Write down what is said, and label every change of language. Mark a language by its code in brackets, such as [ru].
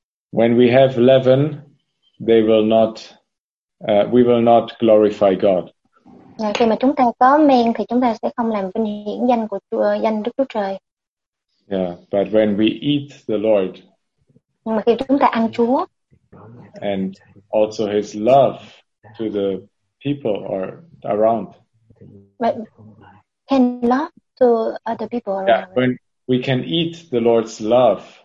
[en] When we have leaven, they will not, we will not glorify God. [vi] Khi mà chúng ta có men thì chúng ta sẽ không làm vinh hiển danh của Chúa, danh Đức Chúa Trời. [en] Yeah, but when we eat the Lord, [vi] nhưng mà khi chúng ta ăn Chúa, [en] and also His love to the people or around, but can love to other people around. Yeah, when we can eat the Lord's love,